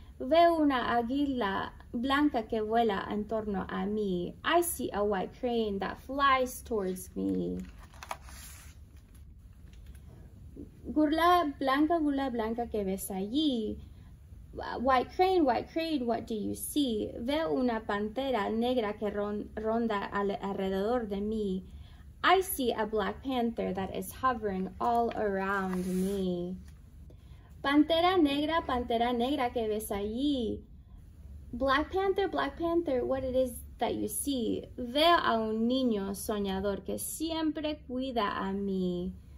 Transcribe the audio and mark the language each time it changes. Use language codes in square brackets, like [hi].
[es] Veo una águila blanca que vuela en torno a mí. [en] I see a white crane that flies towards me. [es] Gula blanca, ¿qué ves allí? [en] White crane, what do you see? [es] Veo una pantera negra que ronda alrededor de mí. [en] I see a black panther that is hovering all around me. [es] Pantera negra, ¿qué ves allí? [en] Black panther, what it is that you see? [es] Veo a un niño soñador que siempre cuida a mí.